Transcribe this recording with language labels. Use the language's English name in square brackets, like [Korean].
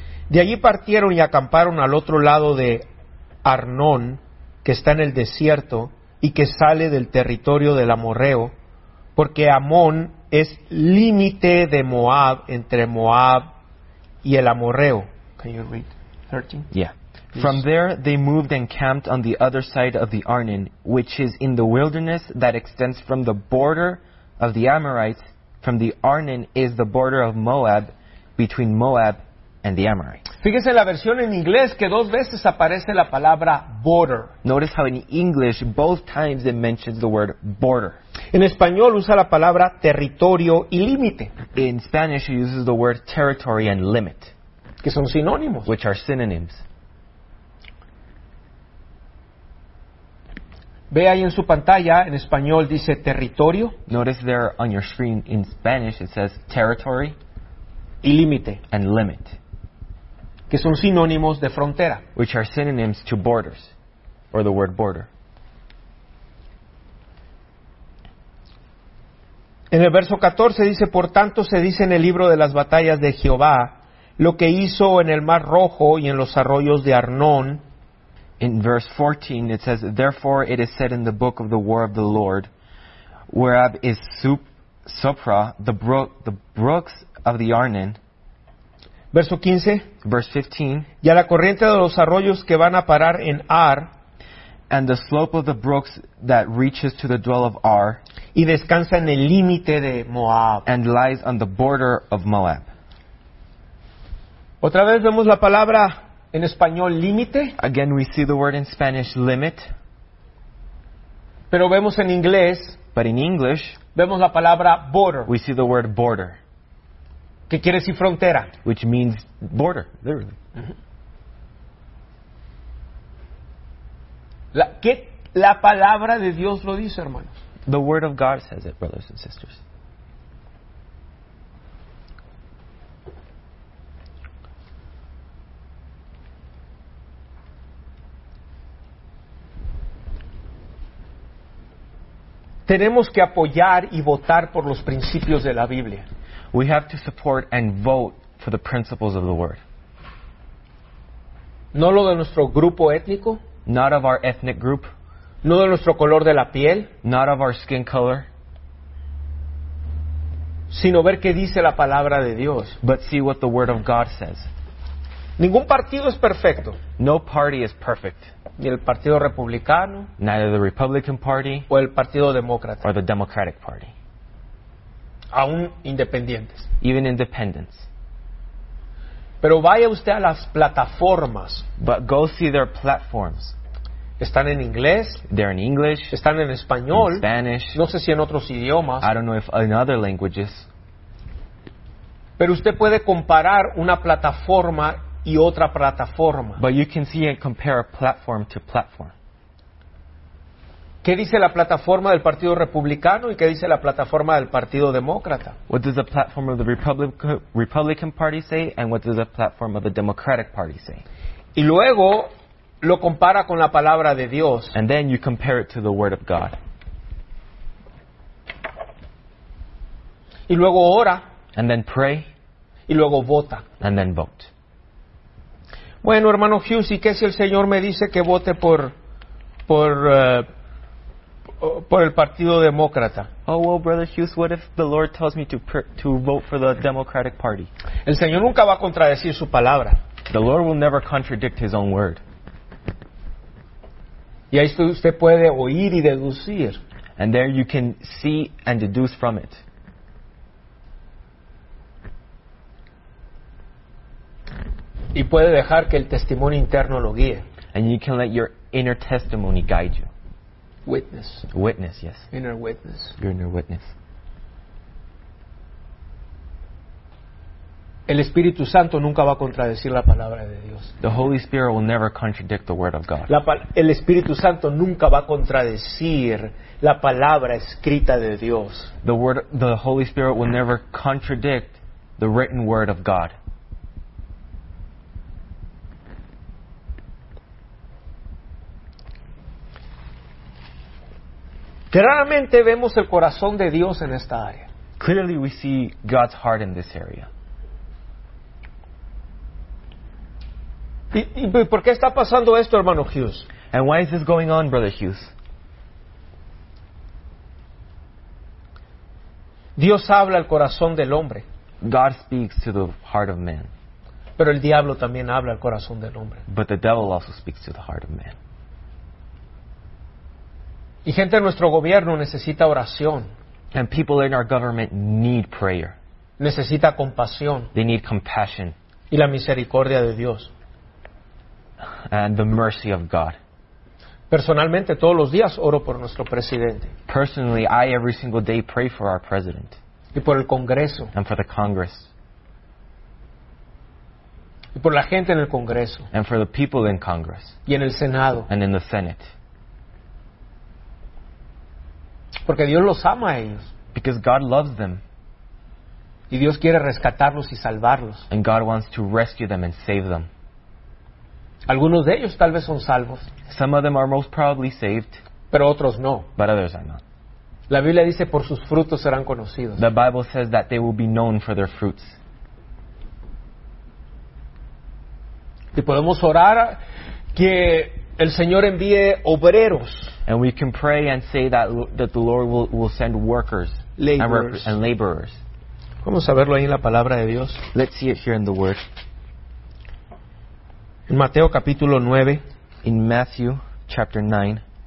[Spanish] De allí partieron y acamparon al otro lado de Arnón, que está en el desierto y que sale del territorio del amorreo, porque Amón es límite de Moab, entre Moab y el amorreo. [English] Can you read 13? Yeah. Please. From there they moved and camped on the other side of the Arnon, which is in the wilderness that extends from the border of the Amorites. From the Arnon is the border of Moab, between Moab and the Amorites. [Spanish] Fíjese la versión en inglés que dos veces aparece la palabra border. [English] Notice how in English both times it mentions the word border. [Spanish] En español usa la palabra territorio y límite. [English] In Spanish it uses the word territory and limit. [Spanish] Que son sinónimos. [English] Which are synonyms. [Spanish] Ve ahí en su pantalla, en español dice territorio. [English] Notice there on your screen in Spanish it says territory. [Spanish] Y límite. [English] And limit. [Spanish] Que son sinónimos de frontera. [English] Which are synonyms to borders. Or the word border. [Spanish] En el verso 14 dice, por tanto se dice en el libro de las batallas de Jehová, lo que hizo en el Mar Rojo y en los arroyos de Arnón. [English] In verse 14 it says, therefore it is said in the book of the war of the Lord, whereof is Sopra, the brooks of the Arnon. [Spanish] Verso 15. [English] Verse 15. [Spanish] Y a la corriente de los arroyos que van a parar en Ar. [English] And the slope of the brooks that reaches to the dwell of Ar. [Spanish] Y descansa en el límite de Moab. [English] And lies on the border of Moab. [Spanish] Otra vez vemos la palabra en español límite. [English] Again we see the word in Spanish limit. [Spanish] Pero vemos en inglés. [English] But in English. [Spanish] Vemos la palabra border. [English] We see the word border. [Spanish] ¿Qué quiere decir frontera? [English] Which means border, literally. [Spanish] La, ¿qué, La palabra de Dios lo dice, hermanos. [English] The word of God says it, brothers and sisters. [Spanish] Tenemos que apoyar y votar por los principios de la Biblia. [English] We have to support and vote for the principles of the Word. [Spanish] No lo de nuestro grupo étnico. [English] Not of our ethnic group. [Spanish] No de nuestro color de la piel. [English] Not of our skin color. [Spanish] Sino ver qué dice la palabra de Dios. [English] But see what the Word of God says. [Spanish] Ningún partido es perfecto. [English] No party is perfect. [Spanish] Ni el Partido Republicano. [English] Neither the Republican Party. [Spanish] O el Partido Demócrata. [English] Or the Democratic Party. [Spanish] Aún independientes. [English] Even independents. [Spanish] Pero vaya usted a las plataformas. [English] But go see their platforms. [Spanish] Están en inglés. [English] They're in English. [Spanish] Están en español. [English] In Spanish. [Spanish] No sé si en otros idiomas. [English] I don't know if in other languages. [Spanish] Pero usted puede comparar una plataforma y otra plataforma. [English] But you can see and compare platform to platform. [Spanish] ¿Qué dice la plataforma del Partido Republicano y qué dice la plataforma del Partido Demócrata? [English] What does the platform of the Republican Party say and what does the platform of the Democratic Party say? [Spanish] Y luego lo compara con la palabra de Dios. [English] And then you compare it to the Word of God. [Spanish] Y luego ora. [English] And then pray. [Spanish] Y luego vota. [English] And then vote. [Spanish] Bueno, hermano Hughes, ¿y qué si el Señor me dice que vote por el Partido Demócrata? [English] Oh, well, Brother Hughes, what if the Lord tells me to vote for the Democratic Party? [Spanish] El Señor nunca va a contradecir su palabra. [English] The Lord will never contradict His own word. [Spanish] Y ahí usted puede oír y deducir. [English] And there you can see and deduce from it. [Spanish] Y puede dejar que el testimonio interno lo guíe. [English] And you can let your inner testimony guide you. Witness. Witness, yes. Inner witness. Your inner witness. [Spanish] El Espíritu Santo nunca va a contradecir la palabra de Dios. [English] The Holy Spirit will never contradict the word of God. [Spanish] El Espíritu Santo nunca va a contradecir la palabra escrita de Dios. [English] The Holy Spirit will never contradict the written word of God. [Spanish] Claramente vemos el corazón de Dios en esta área. [English] Clearly we see God's heart in this area. [Spanish] ¿Y por qué está pasando esto, hermano Hughes? [English] And why is this going on, Brother Hughes? [Spanish] Dios habla al corazón del hombre. [English] God speaks to the heart of man. [Spanish] Pero el diablo también habla al corazón del hombre. [English] But the devil also speaks to the heart of man. [Spanish] Y gente de nuestro gobierno necesita oración. [English] And people in our government need prayer. [Spanish] Necesita compasión. [English] They need compassion. [Spanish] Y la misericordia de Dios. [English] And the mercy of God. [Spanish] Personalmente, todos los días oro por nuestro presidente. [English] Personally, I every single day pray for our president. [Spanish] Y por el Congreso. [English] And for the Congress. [Spanish] Y por la gente en el Congreso. [English] And for the people in Congress. [Spanish] Y en el Senado. [English] And in the Senate. [Spanish] Porque Dios los ama a ellos. [English] Because God loves them. [Spanish] Y Dios quiere rescatarlos y salvarlos. [English] And God wants to rescue them and save them. [Spanish] Algunos de ellos tal vez son salvos. [English] Some of them are most probably saved. [Spanish] Pero otros no. [English] But others are not. [Spanish] La Biblia dice por sus frutos serán conocidos. [English] The Bible says that they will be known for their fruits. [Spanish] Y podemos orar que el Señor envíe obreros. [English] And we can pray and say that the Lord will send workers, laborers. And laborers. [Spanish] Vamos a verlo ahí en la palabra de Dios. [English] Let's see it here in the Word. [Spanish] En Mateo capítulo 9. [English] In Matthew chapter 9.